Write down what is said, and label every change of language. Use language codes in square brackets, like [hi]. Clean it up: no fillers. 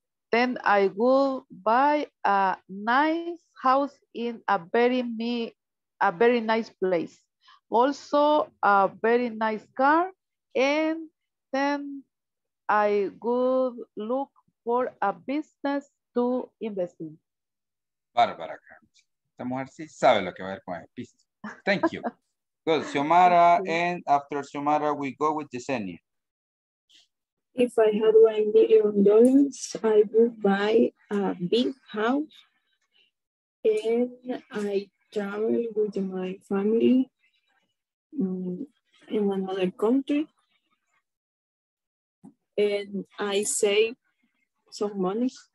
[en] Then I would buy a nice house in a very nice place. Also a very nice car, and then I would look for a business to invest in. [es] Bárbara, esta mujer sí sabe lo que va a ver con el piso. [en] Thank you. Good, Xiomara, and after Xiomara, we go with Yesenia. If I had $1,000,000, I would buy a big house, and I travel with my family in another country, and I save some money.